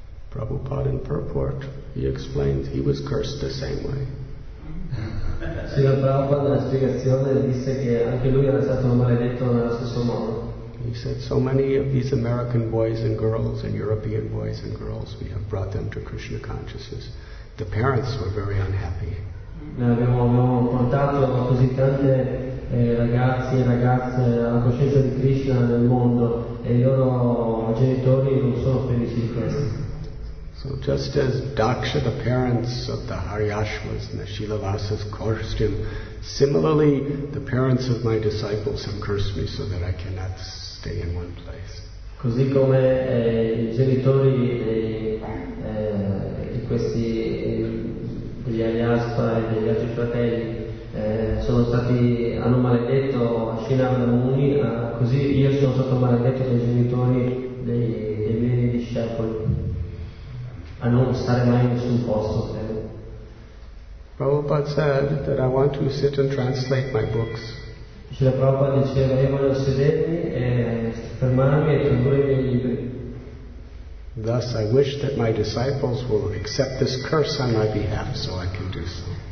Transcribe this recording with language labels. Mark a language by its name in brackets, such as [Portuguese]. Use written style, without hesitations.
[English] Prabhupada in purport, he explains he was cursed the same way. [Italian] Srila Prabhupada nella spiegazione disse che anche lui era stato maledetto nello stesso modo. [English] He said, so many of these American boys and girls and European boys and girls, we have brought them to Krishna consciousness. The parents were very unhappy. [Italian] Abbiamo portato così tante ragazzi e ragazze alla coscienza di Krishna nel mondo e i loro genitori non sono felici di questo. [English] So just as Daksha, the parents of the Haryashvas and the Shilavasas cursed him, similarly the parents of my disciples have cursed me so that I cannot stay in one place. [Italian] Così come i genitori di questi degli Haryashva e degli altri fratelli sono stati hanno maledetto Sri Narada Muni, così io sono stato maledetto dai genitori dei miei discepoli. A non stare mai in nessun posto. [English] Prabhupada said that I want to sit and translate my books. [Italian] Srila Prabhupada diceva io voglio sedermi e fermarmi e tradurre i miei libri. [English] Thus I wish that my disciples will accept this curse on my behalf so I can do so.